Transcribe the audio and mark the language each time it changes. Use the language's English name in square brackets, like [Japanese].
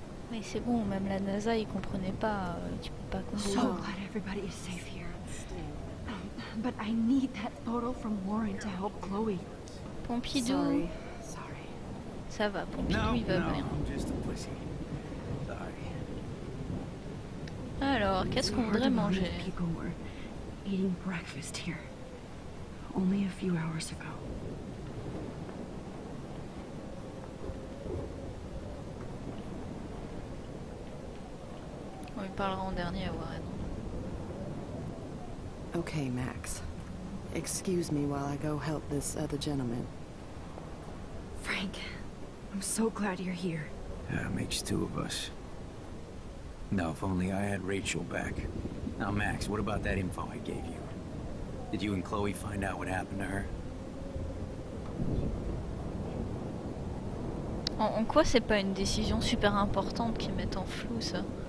[French] Mais c'est bon, même la NASA y comprenait pas. Tu peux pas comprendre. [English] So glad everybody is safe here. But I need that photo from Warren to help Chloe. [French] Pompidou. [English] Sorry. [French] Ça va, Pompidou, il va bien. [English] No, I'm just a pussy. Sorry. [French] Alors, qu'est-ce qu'on voudrait manger? [English] People were eating breakfast here only a few hours ago. [French] On lui parlera en dernier à Warren. [English] Okay, Max. Excuse me while I go help this other gentleman. Frank, I'm so glad you're here. Yeah, it makes two of us. Now, if only I had Rachel back. Now, Max, what about that info I gave you? Did you and Chloe find out what happened to her? [French] En quoi c'est pas une décision super importante qui met en flou ça?